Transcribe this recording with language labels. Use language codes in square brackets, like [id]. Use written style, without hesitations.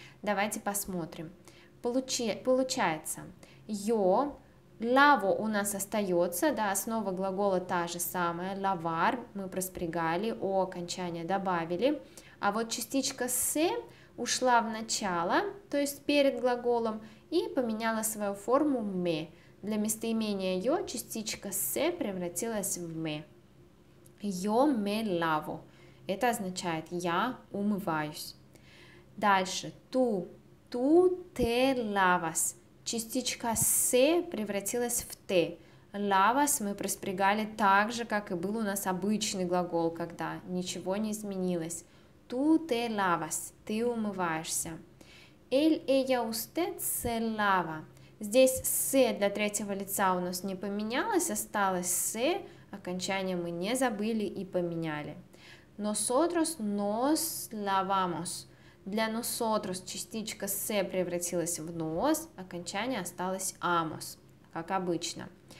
[ru] Давайте посмотрим. Получается, «yo», «lavo» у нас остается, да, основа глагола та же самая, «lavar» мы проспрягали, «o» окончание добавили, а вот частичка «se» ушла в начало, то есть перед глаголом, и поменяла свою форму «me». Для местоимения «yo» частичка «se» превратилась в «me». [es] «Yo me lavo» [ru] – это означает «я умываюсь». [es] Дальше «tú» – «tú te lavas». [ru] Частичка «se» превратилась в «te». «Lavas» мы проспрягали так же, как и был у нас обычный глагол, когда ничего не изменилось. [es] «Tú te lavas» – [ru] «ты умываешься». [es] «Él, ella, usted se lava». [ru] Здесь «се» для третьего лица у нас не поменялось, осталось «се», окончание мы не забыли и поменяли. [es] «Nosotros nos lavamos». [ru] Для «nosotros» частичка «се» превратилась в «nos», окончание осталось «amos», как обычно.